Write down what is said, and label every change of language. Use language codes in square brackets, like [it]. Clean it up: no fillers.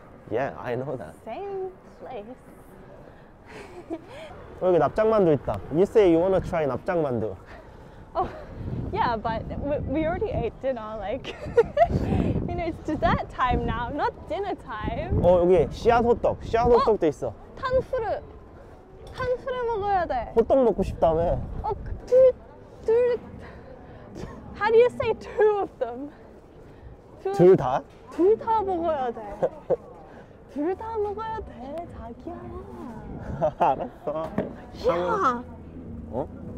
[en] Yeah, I know that. Same place. [ko] 여기 납작만두 있다. [en] You say you wanna try 납작만두. Oh, yeah, but we already ate dinner, like, you know, it's dessert time now, not dinner time. [ko] 어, 여기 씨앗 호떡, 씨앗 호떡도 있어. 탄수르, 탄수르 먹어야 돼. 호떡 먹고 싶다며. 어, 둘, [en] how do you say two of them? [ko] 둘 다? 둘 다 먹어야 돼. 둘 다 먹어야 돼, 자기야. 알았어. 야! 어?